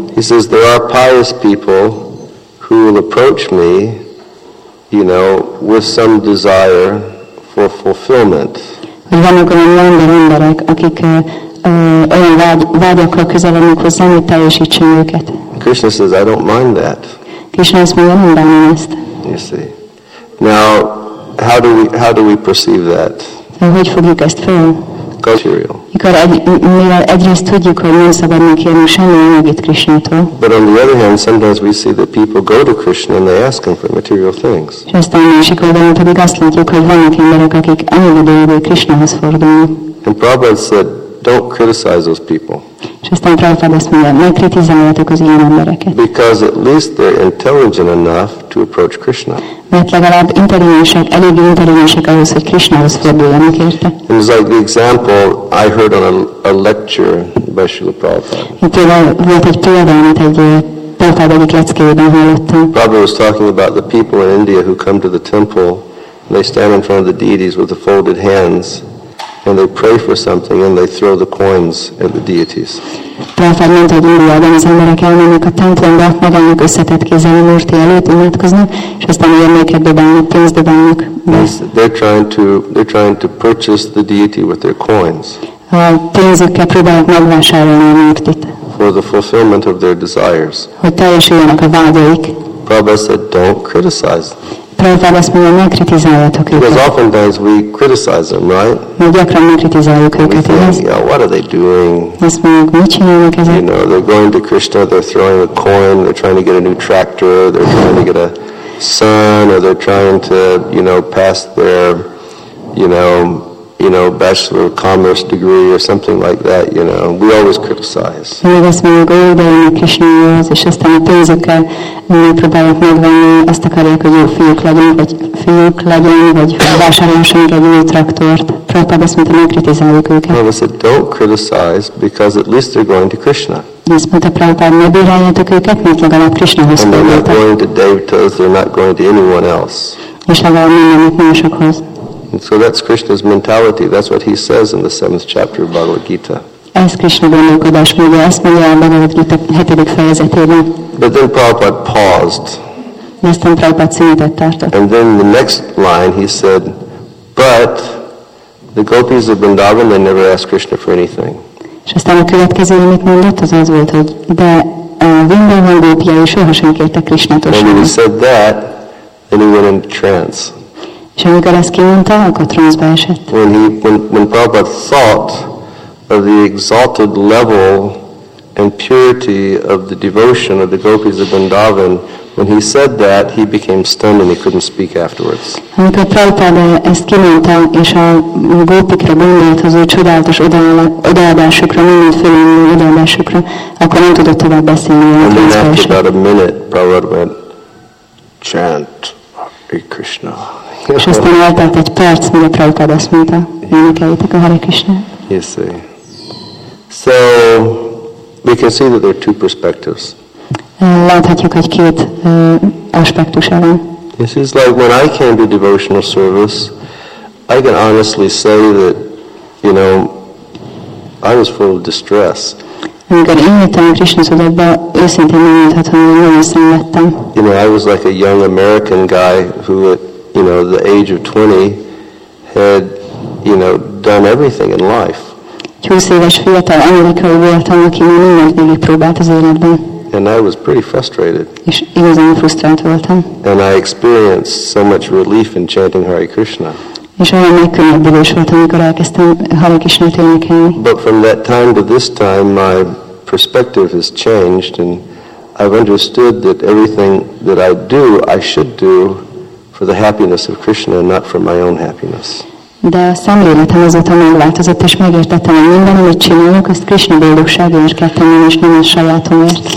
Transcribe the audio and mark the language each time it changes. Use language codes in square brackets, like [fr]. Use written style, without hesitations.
[en] he says, there are pious people who will approach me you know, with some desire for fulfillment. [hu] Hogy vannak olyan emberek, akik olyan vágyakra közelednek hozzá, hogy teljesítsen őket. [en] Krishna says, I don't mind that. [hu] Krishna azt mondja, nem bánom ezt. [en] You see. Now, how do we perceive that? [hu] Hogy fogjuk ezt fel? [en] Material. [hu] Mikor mivel egyrészt tudjuk, hogy nem szabad megkérni semmi anyagit Krishnától. [en] But on the other hand, sometimes we see that people go to Krishna and they ask him for material things. [hu] És aztán másik oldalon pedig azt látjuk, hogy vannak emberek, akik anyagi dolgokból Krishnához fordulnak. [en] And Prabhupada said, don't criticize those people. [hu] És aztán Prabhupada azt mondja, ne kritizáljatok az ilyen embereket. [en] Because at least they're intelligent enough to approach Krishna. [hu] Mert legalább intelligensek, elég intelligensek ahhoz, hogy Krishnához forduljanak érte. [en] It was like the example I heard on a lecture by Srila Prabhupada. [hu] Itt volt egy példa, amit egy Prabhupada egyik leckéjében hallottam. [en] Prabhupada was talking about the people in India who come to the temple, and they stand in front of the deities with the folded hands, and they pray for something and they throw the coins at the deities. [hu] Prabhupada mondta, hogy Indiában az emberek elmennek a templomba, magának összetett kézzel a Murti előtt imádkoznak, és aztán érméket dobálnak, pénzt dobálnak. [en] They're trying to purchase the deity with their coins. [hu] A pénzükkel próbálnak megvásárolni a Murtit. [en] For the fulfillment of their desires. [hu] Hogy teljesüljenek a vágyaik. [en] Prabhupada said, don't criticize. [hu] Prabhupada azt mondja, ne kritizáljatok őket. [en] Because oftentimes we criticize them, right? [hu] Mi gyakran ne kritizáljuk őket, igaz? [en] Yeah, what are they doing? [hu] Azt mondjuk, mit csinálnak ezek? [en] You know, they're going to Krishna, they're throwing a coin, they're trying to get a new tractor, they're trying to get a son, or they're trying to, you know, pass their, you know, bachelor of commerce degree or something like that, you know. We always criticize. [hu] Meg azt mondjuk, hogy odaérni Krishnához, és aztán a pénzükkel megpróbálják megvenni, azt akarják, hogy jó fiúk legyen, vagy vásárolhassanak egy új traktort. Prabhupada azt mondta, nem kritizáljuk őket. [en] Prabhupada said, don't criticize, because at least they're going to Krishna. [hu] Azt mondta Prabhupada, ne bíráljátok őket, mert legalább Krishnához fordultak. [en] And they're not going to devtas, they're not going to anyone else. [hu] És legalább nem mennek másokhoz. [en] And so that's Krishna's mentality. That's what he says in the 7th chapter of Bhagavad Gita. [hu] Ez Krishna gondolkodás módja, ezt mondja a Bhagavad Gita 7. fejezetében. [en] But then Prabhupada paused. [hu] Aztán Prabhupada szünetet tartott. [en] And then the next line he said, but the gopis of Vrindavan, they never asked Krishna for anything. [hu] És aztán a következő, amit mondott, az az volt, hogy de a Vrindavan gópiai sohasem kértek Krishnától semmit. [en] And when he said that, then he went into trance. [hu] És amikor ezt kimondta, akkor transzba esett. [en] When Prabhupada thought of the exalted level and purity of the devotion of the gopis of Vrindavan, when he said that, he became stunned and he couldn't speak afterwards. [hu] Amikor Prabhupada ezt kimondta, és a gópikra gondolt, az ő csodálatos odaadásukra, mindent fölülmű odaadásukra, akkor nem tudott tovább beszélni, hogy transzba esett. [en] And then after about a minute, Prabhupada went, chant, Hare Krishna. [hu] És aztán eltelt egy perc, mire Prabhupada azt mondta, énekeljétek a Hare Krishna. [en] You see. So, we can see that there are two perspectives. [hu] Láthatjuk, hogy két aspektusa van. [en] This is like when I came to devotional service, I can honestly say that, you know, I was full of distress. [hu] Amikor én jöttem a Krishna szobába, őszintén mondhatom, hogy nagyon szenvedtem. [en] You know, I was like a young American guy who you know, the age of 20 had, you know, done everything in life. [hu] 20 éves fiatal amerikai voltam, aki már mindent végigpróbált az életben. [en] And I was pretty frustrated. [hu] És igazán frusztrált voltam. [en] And I experienced so much relief in chanting Hare Krishna. [hu] És olyan megkönnyebbülés voltam, amikor elkezdtem Hare Krishnát énekelni. [en] But from that time to this time, my perspective has changed, and I've understood that everything that I do, I should do for the happiness of Krishna, not for my own happiness. [hu] De a szemléletem azóta megváltozott, és megértettem, hogy minden, amit csinálok, azt Krishna boldogságért kell tennem, és nem a sajátomért.